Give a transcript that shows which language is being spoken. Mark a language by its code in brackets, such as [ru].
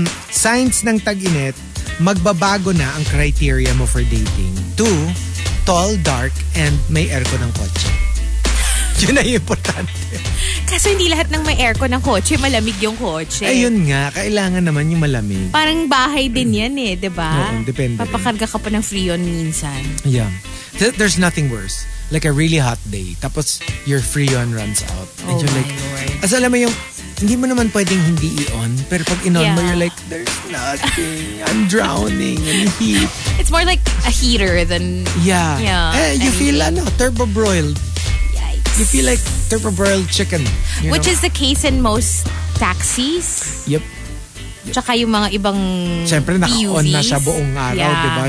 [tl] signs ng tag-init, magbabago na ang criteria mo [en] for dating. Two, tall, dark, and [tl] may aircon ng kotse. Yun na yung importante. Kaso hindi lahat ng may aircon ng kotse, malamig yung kotse. Ayun nga, kailangan naman yung malamig. Parang bahay din yan eh, di ba? Oo, depende. Papakarga ka pa ng Freon minsan. [en] Yeah. There's nothing worse. Like a really hot day, [tl] tapos [en] your Freon runs out. And oh you're like, Lord. [tl] As alam mo yung, hindi mo naman pwedeng hindi i-on, pero pag in-on mo, [en] you're like, there's nothing. I'm drowning in heat. It's more like a heater than, yeah. Yeah. Eh, you feel, turbo broiled. Yikes. You feel like turbo broiled chicken. Which is the case in most taxis. Yep. [tl] Tsaka yung mga ibang PUVs. Siyempre, naka-on na siya buong araw, diba?